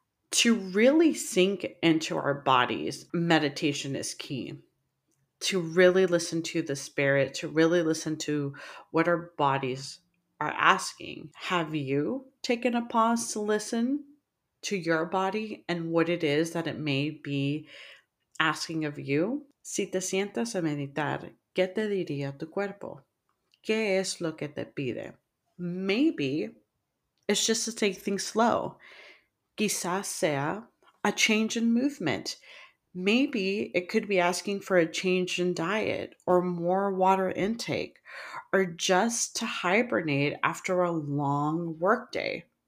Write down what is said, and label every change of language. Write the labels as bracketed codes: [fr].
[en] To really sink into our bodies, meditation is key. To really listen to the spirit, to really listen to what our bodies are asking. Have you taken a pause to listen to your body and what it is that it may be asking of you? [es] Si te sientas a meditar, ¿qué te diría tu cuerpo? ¿Qué es lo que te pide? [en] Maybe it's just to take things slow. [es] Quizás sea [en] a change in movement. Maybe it could be asking for a change in diet or more water intake, or just to hibernate after a long work day.